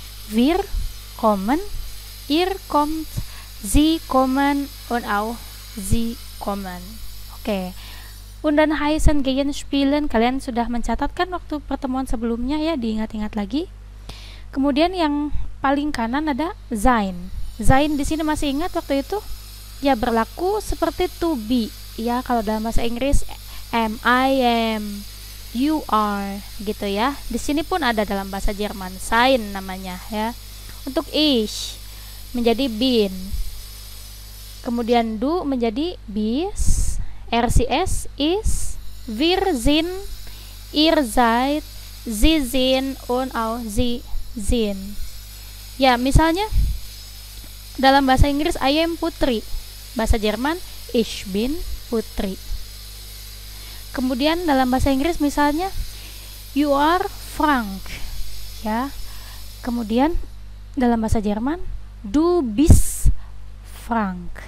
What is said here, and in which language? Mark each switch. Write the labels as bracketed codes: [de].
[de] Wir kommen, ihr kommt, sie kommen und auch sie kommen. Oke. Okay. Und dann heißen gehen spielen. [id] Kalian sudah mencatatkan waktu pertemuan sebelumnya, ya, diingat-ingat lagi. Kemudian yang paling kanan ada sein. Sein di sini masih ingat waktu itu? Ya, berlaku seperti to be, ya, kalau dalam bahasa Inggris [en] am, I am, you are, [id] gitu, ya. Di sini pun ada dalam bahasa Jerman sein namanya, ya. Untuk ich menjadi bin. Kemudian du menjadi bis, [de] RCS is wir sind, ihr seid, sie sind und auch sie sind. [id] Ya, misalnya dalam bahasa Inggris [en] I am Putri. [id] Bahasa Jerman [de] ich bin Putri. [id] Kemudian dalam bahasa Inggris misalnya [en] you are Frank. [id] Ya. Kemudian dalam bahasa Jerman [de] du bist Frank.